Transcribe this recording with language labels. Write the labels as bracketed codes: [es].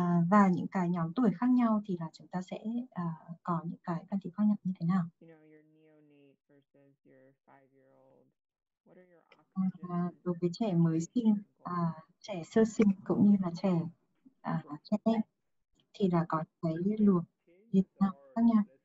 [vi] Và những cái nhóm tuổi khác nhau thì là chúng ta sẽ có những cái can thiệp khác nhau như thế nào. [en] You know, your neonate versus your 5-year-old. What are your oxygen? [vi] Đối với trẻ mới sinh, trẻ sơ sinh cũng như là trẻ trẻ em thì là có cái luồng như thế nào khác nhau.